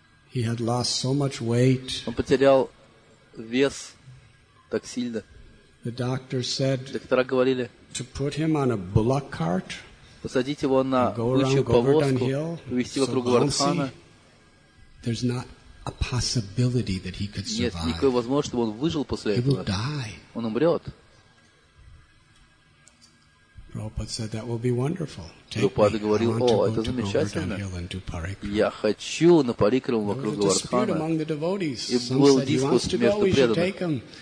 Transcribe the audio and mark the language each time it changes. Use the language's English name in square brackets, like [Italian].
[Russian] He had lost so much weight. Он потерял вес так сильно. [English] The doctor said, [Russian] доктора говорили, [English] to put him on a bullock cart, [Russian] посадить его на бычью повозку, увезти вокруг Говардхана. [English] There's not a possibility that he could survive. [Russian] Нет никакой возможности, чтобы он выжил после этого. [English] He will die. [Russian] Он умрет. [English] Prabhupada said, that will be wonderful. [Russian] Prabhupada говорил, о, это замечательно. Я хочу на парикраму вокруг Говардхана. И был диспут между преданными.